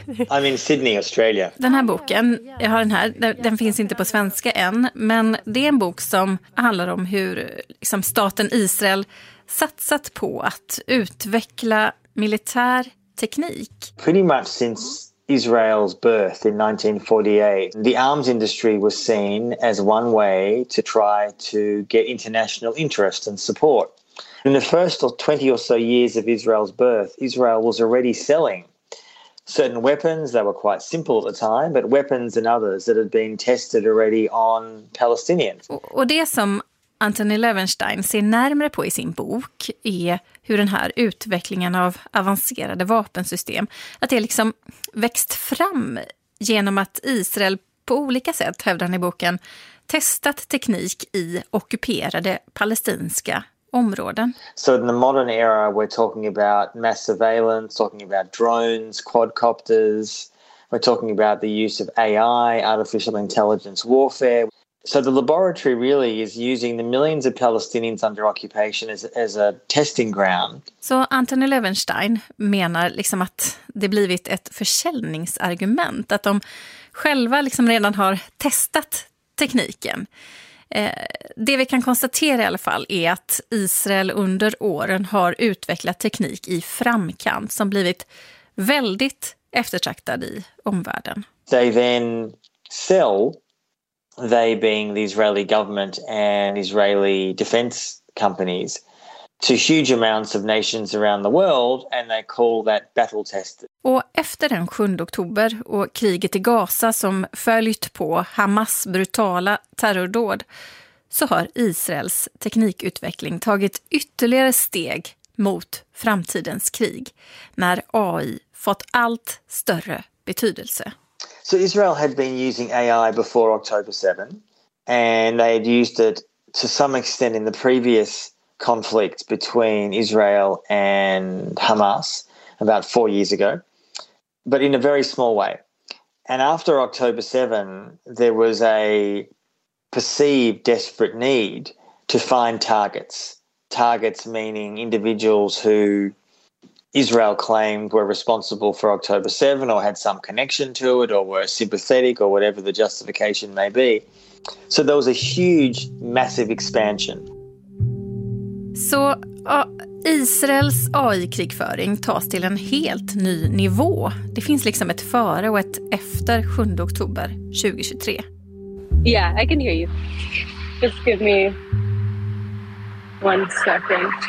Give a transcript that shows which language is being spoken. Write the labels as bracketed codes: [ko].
[en] I'm in Sydney, Australia. [sv] Den här boken, jag har den här, den finns inte på svenska än, men det är en bok som handlar om hur liksom, staten Israel satsat på att utveckla militär teknik. [en] Pretty much since Israel's birth in 1948. The arms industry was seen as one way to try to get international interest and support. In the first 20 or so years of Israel's birth, Israel was already selling certain weapons that were quite simple at the time, but weapons and others that had been tested already on Palestinians. [sv] Och det som Anthony Levenstein ser närmare på i sin bok är hur den här utvecklingen av avancerade vapensystem, att det liksom växt fram genom att Israel på olika sätt, hävdar han i boken, testat teknik i ockuperade palestinska områden. [en] So in the modern era we're talking about mass surveillance, talking about drones, quadcopters, we're talking about the use of AI, artificial intelligence warfare. So the laboratory really is using the millions of Palestinians under occupation as a testing ground. [sv] Så Anthony Levenstein menar liksom att det blivit ett försäljningsargument, att de själva liksom redan har testat tekniken. Det vi kan konstatera i alla fall är att Israel under åren har utvecklat teknik i framkant som blivit väldigt eftertraktad i omvärlden. [en] They then sell, they being the Israeli government and Israeli defense companies, to huge amounts of nations around the world, and they call that battle tested. [sv] Och efter den 7 oktober och kriget i Gaza som följt på Hamas brutala terrordåd, så har Israels teknikutveckling tagit ytterligare steg mot framtidens krig, när AI fått allt större betydelse. [en] So Israel had been using AI before October 7, and they had used it to some extent in the previous conflict between Israel and Hamas about 4 years ago, but in a very small way. And after October 7, there was a perceived desperate need to find targets, targets meaning individuals who Israel claimed were responsible for October 7 or had some connection to it or were sympathetic or whatever the justification may be. So there was a huge, massive expansion. [sv] Så Israels AI-krigföring tas till en helt ny nivå. Det finns liksom ett före och ett efter 7 oktober 2023. [en] Yeah, I can hear you. Just give me one second.